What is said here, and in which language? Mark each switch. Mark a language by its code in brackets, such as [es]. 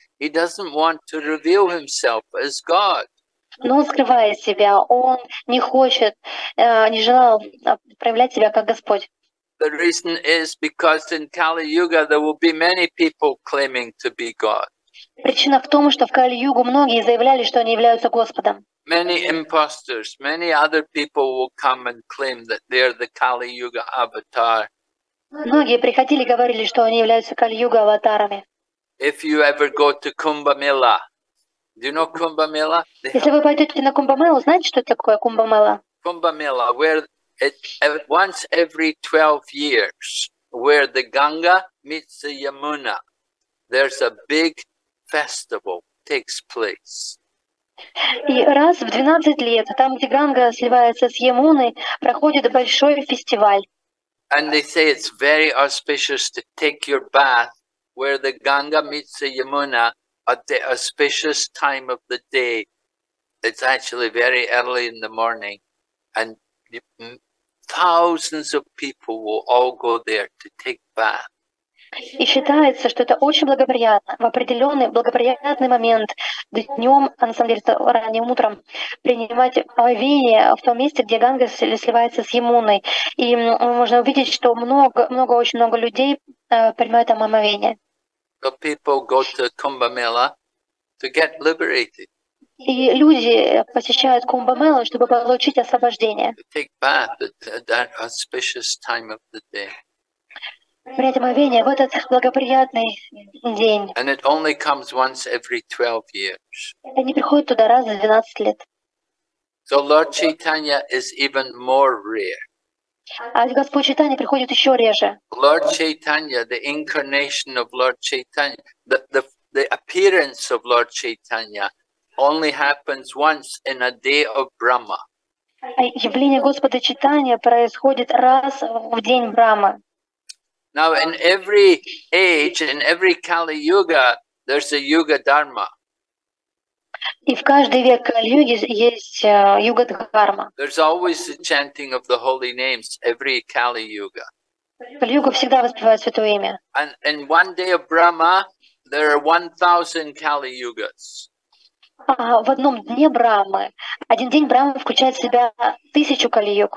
[en] He doesn't want to reveal himself as God. [ru] Но он скрывает себя. Он не хочет, не желал проявлять себя как Господь. [en] The reason is because in Kali Yuga there will be many people claiming to be God. [ru] Причина в том, что в Кали Югу многие заявляли, что они являются Господом. [en] Many imposters, many other people will come and claim that they are the Kali Yuga avatar. [ru] Многие приходили и говорили, что они являются Кали-Юга аватарами. [en] If you ever go to Kumbh Mela, do you know Kumbh Mela? [ru] Если вы пойдете на Кумбх Мелу, знаете, что такое Кумбх Мела? [en] Kumbh Mela, where it once every 12 years, where the Ganga meets the Yamuna, there's a big festival takes place. [ru] И раз в 12 лет, там, где Ганга сливается с Ямуной, проходит большой фестиваль. [en] And they say it's very auspicious to take your bath where the Ganga meets the Yamuna at the auspicious time of the day. It's actually very early in the morning. And thousands of people will all go there to take bath. [ru] И считается, что это очень благоприятно в определенный благоприятный момент днем, а на самом деле это ранним утром, принимать омовение в том месте, где Ганга сливается с Ямуной. И можно увидеть, что много людей принимают там омовение. [en] So people go to Kumbh Mela to get liberated. [ru] И люди посещают Кумбх Мелу, чтобы получить освобождение. [en] To take bath at that auspicious time of the day. [ru] Принять омовение в этот благоприятный день. [en] And it only comes once every 12 years. [ru] Они приходят туда раз за 12 лет. [en] So Lord Chaitanya is even more rare. [ru] А Господь Чайтанья приходит еще реже. [en] Lord Chaitanya, the incarnation of Lord Chaitanya, the appearance of Lord Chaitanya only happens once in a day of Brahma. [ru] Явление Господа Чайтанья происходит раз в день Брахмы. [en] Now, in every age, in every Kali Yuga, there's a Yuga Dharma. [ru] И в каждый век Кали-Юги есть Юга Дхарма. [en] There's always the chanting of the holy names every Kali Yuga. [ru] Кали-Юга всегда воспевает святое имя. [en] And in one day of Brahma, there are 1,000 Kali Yugas. [ru] В одном дне Брахмы. Один день Брахмы включает в себя 1000 калиюг.